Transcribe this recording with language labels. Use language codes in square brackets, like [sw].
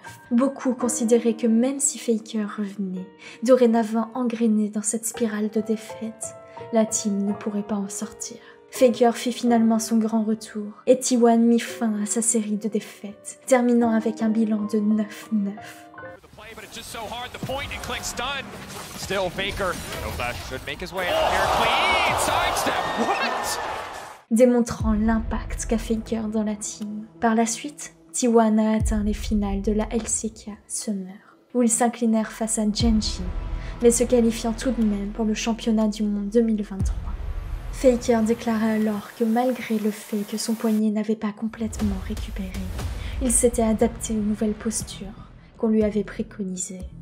[fr] Beaucoup considéraient que même si Faker revenait, dorénavant engrainé dans cette spirale de défaite, la team ne pourrait pas en sortir. Faker fit finalement son grand retour et T1 mit fin à sa série de défaites, terminant avec un bilan de 9-9. [en] But it's just so hard, the point and click's done. Still, Faker, no flash, should make his way out here. Clean sidestep, what? [fr] Démontrant l'impact qu'a Faker dans la team. Par la suite, T1 a atteint les finales de la LCK Summer, où ils s'inclinèrent face à Genji, mais se qualifiant tout de même pour le championnat du monde 2023. Faker déclara alors que malgré le fait que son poignet n'avait pas complètement récupéré, il s'était adapté aux nouvelles postures qu'on lui avait préconisé.